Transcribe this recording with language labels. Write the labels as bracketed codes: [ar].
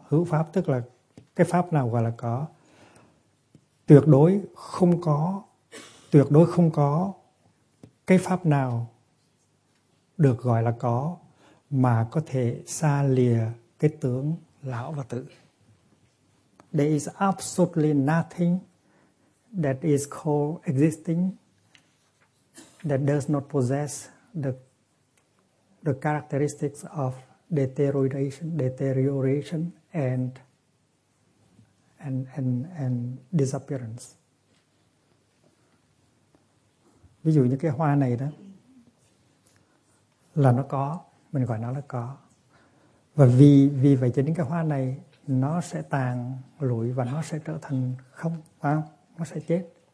[vi] Hữu pháp tức là cái pháp nào gọi là có. Tuyệt đối không có. Tuyệt đối không có cái pháp nào được gọi là có mà có thể xa lìa cái tướng lão và tử. [en] There is absolutely nothing that is called existing that does not possess the characteristics of deterioration and disappearance. [vi] Ví dụ như cái hoa này đó là nó có, mình gọi nó là có. Và vì vậy cho nên cái hoa này nó sẽ tàn lụi và nó sẽ trở thành không, phải không? Nó sẽ chết.